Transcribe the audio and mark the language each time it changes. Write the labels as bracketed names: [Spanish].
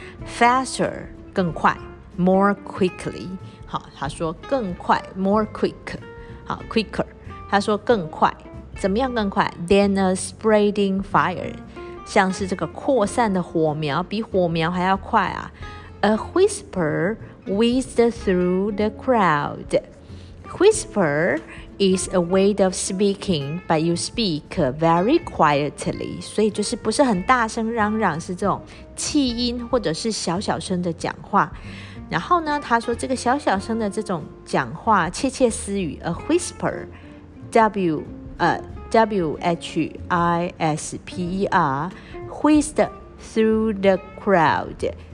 [English] Faster, [Chinese] 更快 [English] more quickly. [Chinese] 好，他说更快 [English] more quick. [Chinese] 好 [English] quicker. [Chinese] 他说更快，怎么样更快 [English] than a spreading fire. [Chinese] 像是这个扩散的火苗，比火苗还要快啊。 [English] A whisper whizzed through the crowd. Whisper is a way of speaking, but you speak very quietly. [Chinese] 所以就是不是很大声嚷嚷，是这种气音或者是小小声的讲话。然后呢，他说这个小小声的这种讲话，窃窃私语 ， [English] a whisper, W-H-I-S-P-E-R, whizzed through the crowd.